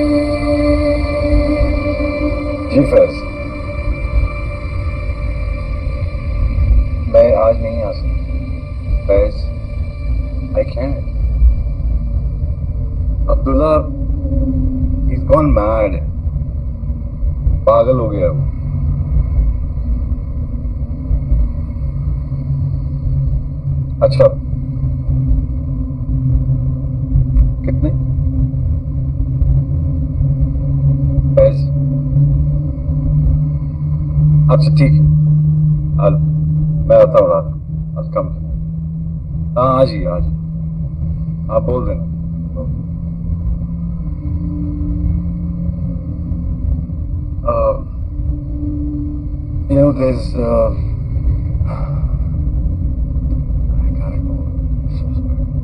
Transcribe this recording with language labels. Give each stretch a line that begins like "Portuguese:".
English: Jeffers, may I ask, please? I can't. Abdullah, he's gone mad.
Hindi: पागल हो गया. Achha. Kitne? Paise? Achha, theek.
English: I'll...
Hindi: मैं आता who रात.
English: I'll come.
Hindi: हाँ, आज ही, आज. आप बोल देना.
English: You know, there's, I gotta go. I'm so sorry.